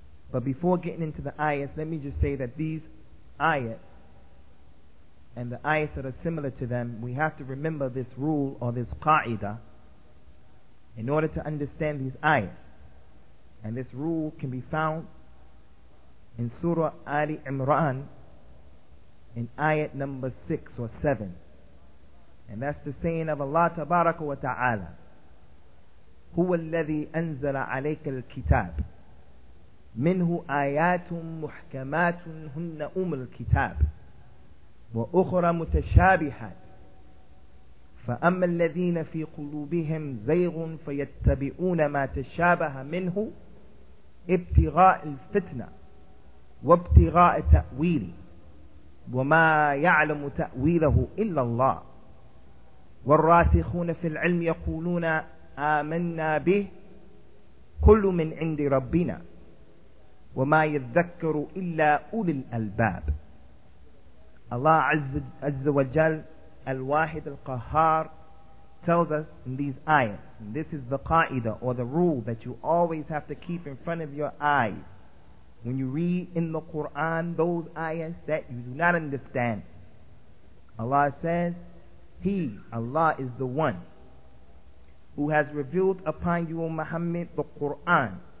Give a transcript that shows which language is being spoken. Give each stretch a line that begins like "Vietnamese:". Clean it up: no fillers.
English: But before getting into the ayahs, let me just say that these ayahs and the ayahs that are similar to them, we have to remember this rule or this qa'idah in order to understand these ayahs. And this rule can be found in Surah Ali Imran in ayat number 6 or 7. And that's the saying of Allah Tabaraka wa Ta'ala,
Arabic: هُوَ الَّذِي أَنزَلَ عَلَيْكَ الْكِتَابِ مِنْهُ آيَاتٌ مُحْكَمَاتٌ هُنَّ أُمُ الْكِتَابِ وَأُخْرَ مُتَشَابِهَاتٌ فَأَمَّا الَّذِينَ فِي قُلُوبِهِمْ زَيْغٌ فَيَتَّبِعُونَ مَا تَشَابَهَ مِنْهُ ابْتِغَاءَ الْفِتْنَةِ وَابْتِغَاءَ تَأْوِيلِ وَمَا يَعْلَمُ تَأْوِيلَهُ إِلَّا اللَّهُ وَالرَّاسِخُونَ فِي الْعِلْمِ يَقُولُونَ آمَنَّا بِهِ كُلُّ مِنْ عِنْدِ رَبِّنَا وَمَا يَذَّكَّرُ إِلَّا أُولِي الْأَلْبَابِ.
English: Allah
Arabic: عز وجل,
English: Al-Wahid Al-Qahhar, tells us in these ayahs, and this is the qa'ida or the rule that you always have to keep in front of your eyes. When you read in the Quran those ayahs that you do not understand, Allah says, He, Allah, is the one who has revealed upon you, O Muhammad, the Quran.